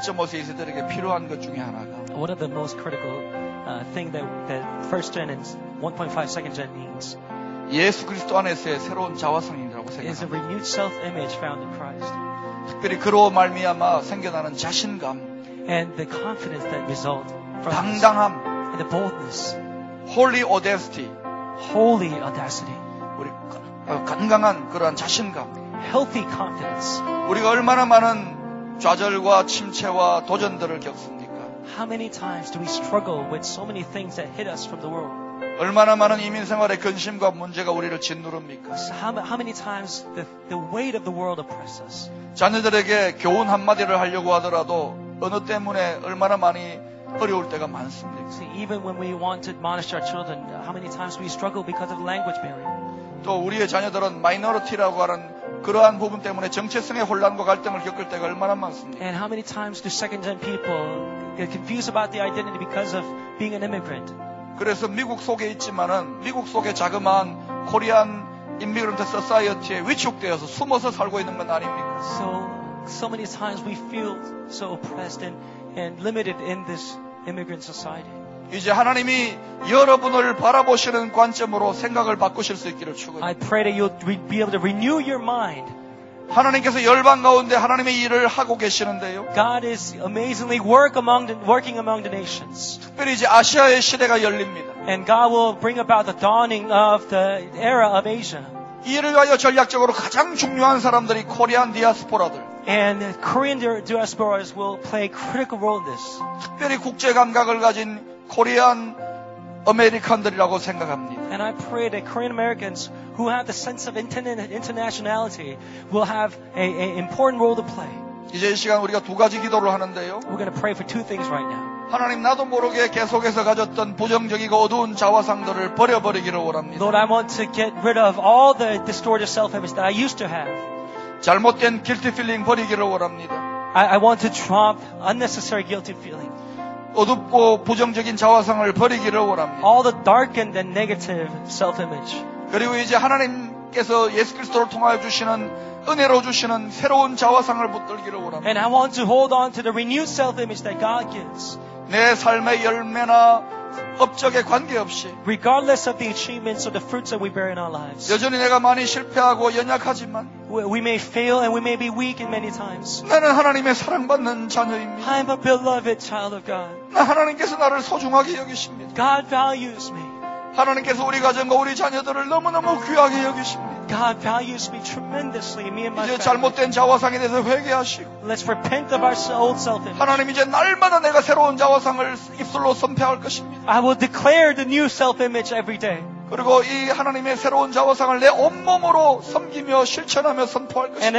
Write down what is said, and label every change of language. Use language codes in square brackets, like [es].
[en] One of the most critical things that first gen and 1.5 second gen needs [ko] 예수 그리스도 안에서의 새로운 자화상이라고 생각합니다. [en] Is a renewed self-image found in Christ. [ko] 특별히 그로 말미암아 생겨나는 자신감 [en] and the confidence that results from [ko] 당당함 [en] and the boldness holy audacity holy audacity [ko] 우리 건강한 그러한 자신감 [en] healthy confidence [ko] 우리가 얼마나 많은 좌절과 침체와 도전들을 겪습니까? [en] How many times do we struggle with so many things that hit us from the world? [ko] 얼마나 많은 이민 생활의 근심과 문제가 우리를 짓누릅니까? [en] How many times the weight of the world oppresses us? [ko] 자녀들에게 교훈 한 마디를 하려고 하더라도 언어 때문에 얼마나 많이 어려울 때가 많습니다. [en] See, even when we want to admonish our children, how many times we struggle because of language barrier. [ko] 또 우리의 자녀들은 마이너리티라고 하는 그러한 부분 때문에 정체성의 혼란과 갈등을 겪을 때가 얼마나 많습니까? [en] And how many times do second-gen people get confused about the identity because of being an immigrant? [ko] 그래서 미국 속에 있지만은 미국 속에 자그마한 코리안 [en] immigrant society [ko] 에 위축되어서 숨어서 살고 있는 건 아닙니까? [en] So many times we feel so oppressed and limited in this immigrant society. [ko] 이제 하나님이 여러분을 바라보시는 관점으로 생각을 바꾸실 수 있기를 축원합니다. [en] I pray that you'll be able to renew your mind. [ko] 하나님께서 열방 가운데 하나님의 일을 하고 계시는데요. [en] God is amazingly working among the nations. [ko] 특별히 이제 아시아의 시대가 열립니다. [en] And God will bring about the dawning of the era of Asia. [ko] 이를 위하여 전략적으로 가장 중요한 사람들이 코리안 디아스포라들. [en] And Korean diasporas will play a critical role in this. [ko] 특별히 국제 감각을 가진 코리안 아메리칸들이라고 생각합니다. [en] And I pray that Korean Americans who have the sense of internationality will have an important role to play. [ko] 이제 이 시간 우리가 두 가지 기도를 하는데요. [en] We're going to pray for two things right now. [ko] 하나님 나도 모르게 계속해서 가졌던 부정적이고 어두운 자화상들을 버려버리기를 원합니다. [en] Lord, I want to get rid of all the distorted self-image that I used to have. [ko] 잘못된 [en] guilty feeling [ko] 버리기를 원합니다. [en] I want to drop unnecessary guilty feeling. [ko] 어둡고 부정적인 자화상을 버리기를 원합니다. [en] All the darkened and negative self-image. [ko] 그리고 이제 하나님께서 예수 그리스도를 통하여 주시는 은혜로 주시는 새로운 자화상을 붙들기를 원합니다. [en] And I want to hold on to the renewed self-image that God gives. [ko] 내 삶의 열매나 업적에 관계없이 [en] regardless of the achievements or the fruits that we bear in our lives. [ko] 여전히 내가 많이 실패하고 연약하지만 [en] we may fail and we may be weak in many times. [ko] 나는 하나님의 사랑받는 자녀입니다. [en] I'm a beloved child of God. [ko] 나 하나님께서 나를 소중하게 여기십니다. [en] God values me. [ko] 하나님께서 우리 가정과 우리 자녀들을 너무너무 귀하게 여기십니다. [en] God values me tremendously, me and my family. [ko] 이제 잘못된 자화상에 대해서 회개하시오. [en] Let's repent of our old self-image. [ko] 하나님 이제 날마다 내가 새로운 자화상을 입술로 선포할 것입니다. [en] I will declare the new self-image every day. [ko] 그리고 이 하나님의 새로운 자화상을 내 온몸으로 섬기며 실천하며 선포할 것입니다.